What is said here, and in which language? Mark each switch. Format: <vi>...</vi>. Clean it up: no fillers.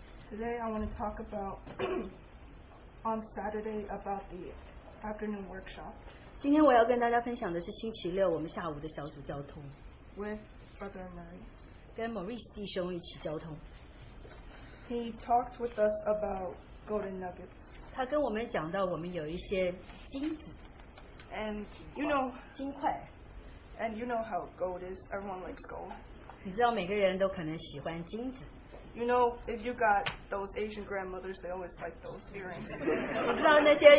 <en>Today, I want to talk about on Saturday about the afternoon workshop.</en> <zh>今天我要跟大家分享的是星期六我们下午的小组交通.</zh> <en>With Brother Maurice.</en> <zh>跟 Maurice 弟兄一起交通.</zh> <en>He talked with us about golden nuggets.</en> <zh>他跟我们讲到我们有一些金子。</zh> <en>And you know,</en> <zh>金块,</zh> <en>and you know how gold is. Everyone likes gold.</en> <zh>你知道每个人都可能喜欢金子.</zh> <en>You know, if you got those Asian grandmothers, they always like those earrings.</en>